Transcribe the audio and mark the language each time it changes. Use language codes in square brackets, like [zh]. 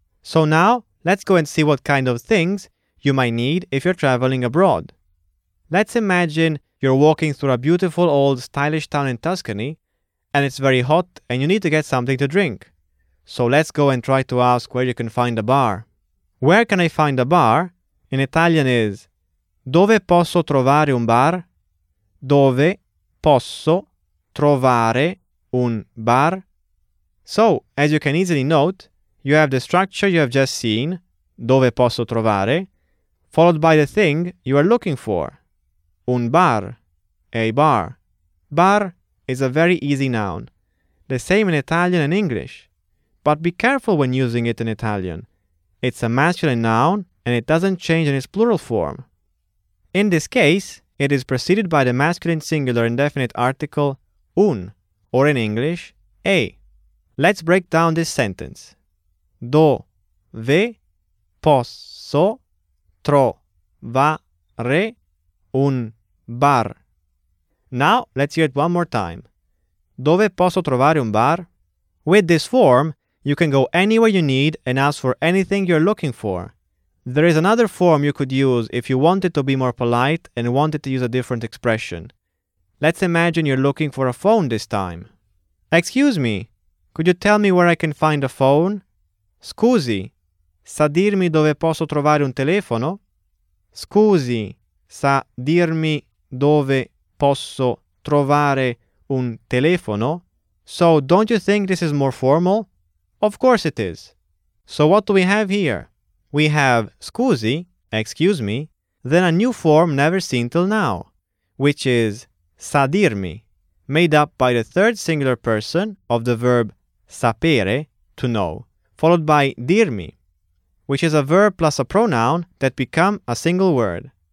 [en] So now, let's go and see what kind of things you might need if you're traveling abroad. Let's imagine you're walking through a beautiful old stylish town in Tuscany, and it's very hot and you need to get something to drink. So let's go and try to ask where you can find a bar. Where can I find a bar? In Italian is, [it] dove posso trovare un bar? Dove posso trovare un bar? [en] So, as you can easily note, you have the structure you have just seen, [it] dove posso trovare, [en] followed by the thing you are looking for, un bar, a bar. Bar is a very easy noun, the same in Italian and English. But be careful when using it in Italian. It's a masculine noun and it doesn't change in its plural form. In this case, it is preceded by the masculine singular indefinite article un, or in English, a. Let's break down this sentence. [it] Dove posso trovare un bar? [en] Now, let's hear it one more time. [it] Dove posso trovare un bar? [en] With this form, you can go anywhere you need and ask for anything you're looking for. There is another form you could use if you wanted to be more polite and wanted to use a different expression. Let's imagine you're looking for a phone this time. Excuse me, could you tell me where I can find a phone? [it] Scusi, sa dirmi dove posso trovare un telefono? Scusi, sa dirmi dove posso trovare un telefono? [en] So, don't you think this is more formal? Of course it is. So, what do we have here? We have scusi, excuse me, then a new form never seen till now, which is sa dirmi, made up by the third singular person of the verb sapere, to know, followed by dirmi, which is a verb plus a pronoun that become a single word.